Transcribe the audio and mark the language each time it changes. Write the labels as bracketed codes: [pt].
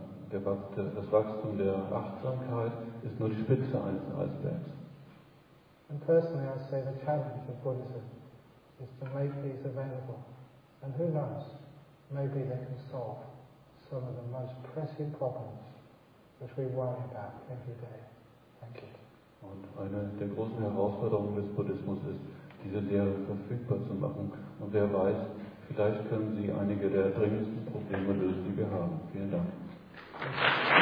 [de] Das Wachstum der Achtsamkeit ist nur die Spitze eines Eisbergs. [en] And personally I say the challenge of Buddhism is to make these available. And who knows, maybe they can solve some of the most pressing problems which we worry about every day. Thank you. [de] Und eine der großen Herausforderungen des Buddhismus ist, diese Lehre verfügbar zu machen. Und wer weiß, vielleicht können Sie einige der dringendsten Probleme lösen, die wir haben. Vielen Dank. Okay.